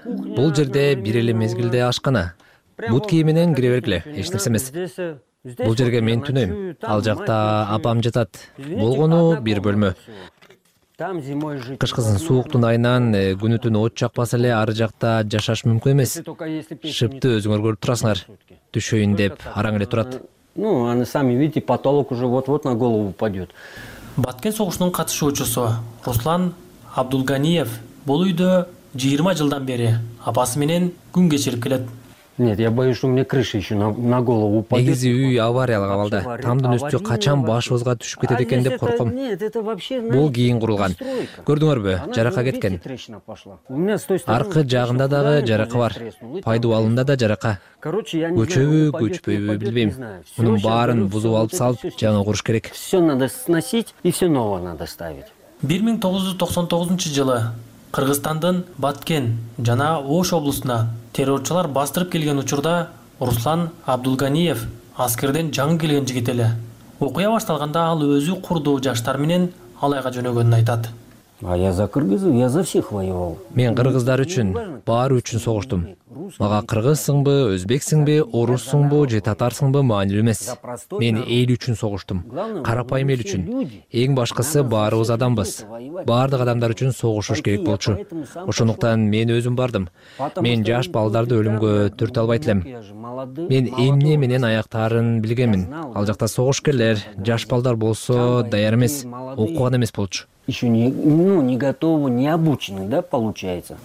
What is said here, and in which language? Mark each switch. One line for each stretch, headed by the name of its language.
Kyrgyz: Бул жерде бир эле мезгилде ашкана. Бут кийим менен кире бергиле, эч нерсе эмес. Бул жерге мен түнөйм. Ал жакта апам жатат. Болгону бир бөлмө. Кышкысын сууктун айынан күнү түнү от жакпаса эле ары жакта жашаш мүмкүн эмес. Шыпты өзүңөр көрүп турасыңар, түшөйүн деп араң эле турат.
Russian: Ну аны сами видите, потолок уже вот-вот на голову упадет.
Kyrgyz: Баткен согушунун катышуучусу Руслан Абдулганиев бул үйдө 20 жылдан бери апасы менен күн кечирип келет.
Russian: Нет, я боюсь, что мне крыша еще на голову упадет.
Kyrgyz: Негизи үй авариялык абалда. Тамдын үстү качан башыбызга түшүп кетет экен деп коркум. Бул кийин курулган. Көрдүңөрбү? Жарака кеткен. Аркы жагында дагы жарака бар. Пайдубалында да жарака. Көчөбү, көчпөйбү билбейм. Мунун баарын бузуп алып салып, жаңы куруш керек.
Russian: Все надо сносить и все новое надо ставить.
Kyrgyz: 1999 жылы Кыргызстандын Баткен жана Ош облусуна террорчулар бастырып келген учурда Руслан Абдулганиев аскерден жаңы келген жигит эле. Окуя башталганда ал өзү курдуу жаштар менен алайга жөнөгөнүн айтат.
Russian: А я за кыргызов, я за всех воевал.
Kyrgyz: Мен кыргыздар үчүн, баары үчүн согуштум. Мага кыргызсыңбы, өзбексиңби, орусуңбу же татарсыңбы маанилүү эмес. Мен эл үчүн согуштум. Карапайым эл үчүн. Эң башкысы баарыбыз адамбыз. Баардык адамдар үчүн согушуш керек болчу. Ошондуктан мен өзүм бардым. Мен жаш балдарды өлүмгө түрт албайт элем. Мен эмне менен аяктарын билгемин. Ал жакта согуш келер, жаш балдар болсо даяр эмес, окуган эмес болчу.
Russian: еще не готовы, не обучены, да, получается.